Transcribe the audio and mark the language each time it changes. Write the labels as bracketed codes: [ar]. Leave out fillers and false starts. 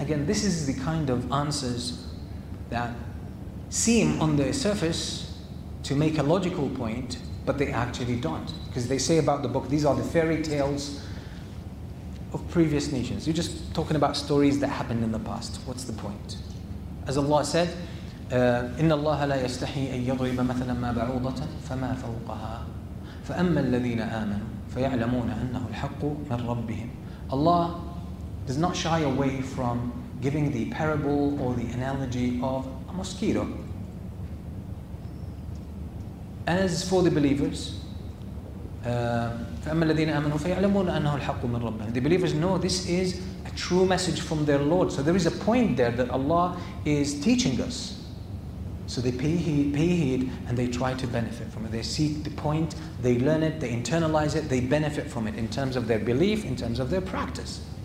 [en] Again, this is the kind of answers that seem on the surface to make a logical point, but they actually don't. Because they say about the book, these are the fairy tales of previous nations. You're just talking about stories that happened in the past. What's the point? As Allah said, [ar] إِنَّ اللَّهَ لَا يَسْتَحِي أَن يَضْرِبَ مَثَلًا مَا بَعُوضَةً فَمَا فَوْقَهَا فَأَمَّا الَّذِينَ آمَنُوا فَيَعْلَمُونَ أَنَّهُ الْحَقُّ مِنْ رَبِّهِمْ. [en] Allah does not shy away from giving the parable or the analogy of a mosquito. As for the believers, [ar] فَأَمَّا الَّذِينَ آمَنُوا فَيَعْلَمُونَ أَنَّهُ الْحَقُّ مِنْ رَبِّهِمْ. [en] The believers know this is a true message from their Lord. So there is a point there that Allah is teaching us. So they pay heed and they try to benefit from it. They see the point, they learn it, they internalize it, they benefit from it in terms of their belief, in terms of their practice.